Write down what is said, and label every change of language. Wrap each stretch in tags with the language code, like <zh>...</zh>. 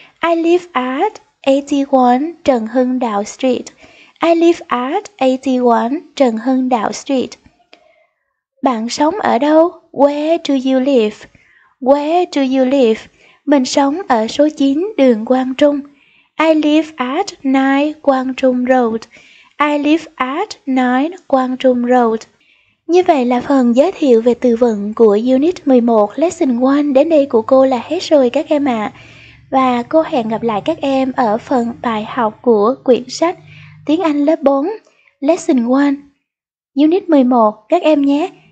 <en>I live at 81 Trần Hưng Đạo Street. I live at 81 Trần Hưng Đạo Street.</en> <vi>Bạn sống ở đâu?</vi> <en>Where do you live? Where do you live?</en> <vi>Mình sống ở số 9 đường Quang Trung.</vi> <en>I live at 9 Quang Trung Road. I live at 9 Quang Trung Road.</en> <vi>Như vậy là phần giới thiệu về từ vựng của Unit 11 Lesson 1 đến đây của cô là hết rồi các em ạ. Và cô hẹn gặp lại các em ở phần bài học của quyển sách Tiếng Anh lớp 4, Lesson 1, Unit 11, các em nhé.</vi>